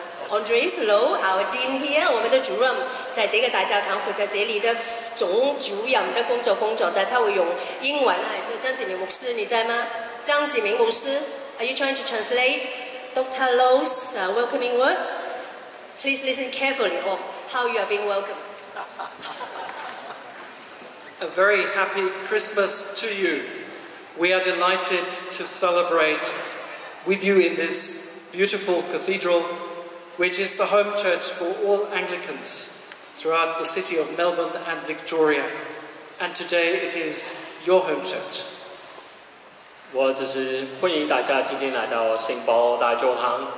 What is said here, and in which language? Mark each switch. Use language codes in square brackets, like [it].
[en] Andres Low, our dean here, [zh] 我们的主任，在这个大教堂负责这里的总主任的工作的，他会用英文来做。张子明牧师，你在吗？ [en] 张子明牧师 ，Are you trying to translate Dr. Low's welcoming words? Please listen carefully of how you are being welcomed. A very happy Christmas to you. We are delighted to celebrate with you in this beautiful cathedral, which is the home church for all Anglicans throughout the city of Melbourne and Victoria. And today it is your home church. [zh] 我只是欢迎大家今天来到圣保罗大教堂。